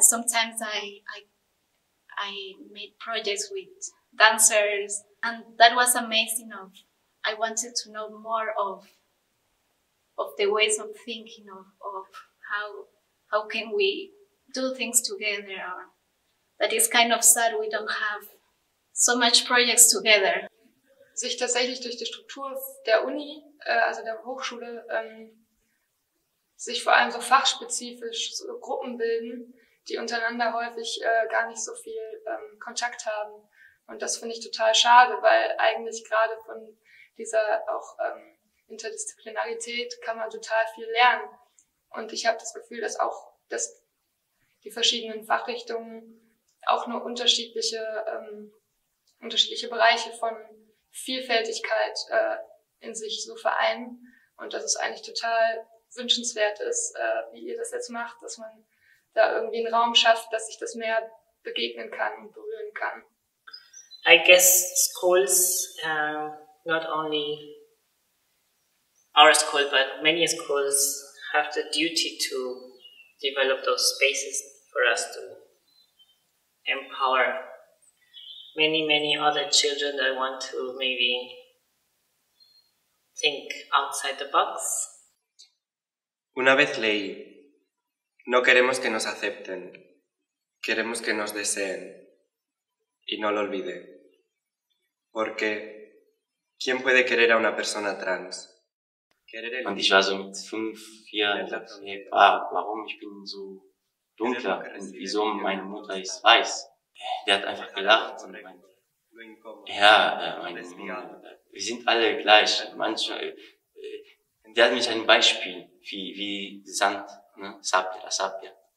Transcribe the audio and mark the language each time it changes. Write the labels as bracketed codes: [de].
[en] Sometimes I made projects with dancers, and that was amazing. I wanted to know more of the ways of thinking of how can we do things together. That is kind of sad we don't have so much projects together. [de] Sich tatsächlich durch die Struktur der Uni, also der Hochschule, sich vor allem so fachspezifisch so Gruppen bilden, die untereinander häufig gar nicht so viel Kontakt haben. Und das finde ich total schade, weil eigentlich gerade von dieser auch Interdisziplinarität kann man total viel lernen. Und ich habe das Gefühl, dass auch dass die verschiedenen Fachrichtungen auch nur unterschiedliche Bereiche von Vielfältigkeit in sich so vereinen. Und dass es eigentlich total wünschenswert ist, wie ihr das jetzt macht, dass man da irgendwie einen Raum schafft, dass sich das mehr begegnen kann und berühren kann. [en] I guess schools, not only our school, but many schools have the duty to develop those spaces for us to empower many, many other children that want to maybe think outside the box. [es] Una vez leí, no queremos que nos acepten, queremos que nos deseen, y no lo olvide. Porque, ¿quién puede querer a una persona trans? [de] Und ich war so mit 5, 4, und dachte, hey, warum ich bin so dunkler? Und wieso meine Mutter ist weiß? Der hat einfach gelacht und meinte, ja, meine Mutter, wir sind alle gleich. Manche, der hat mich ein Beispiel, wie Sand, ne? Sapia.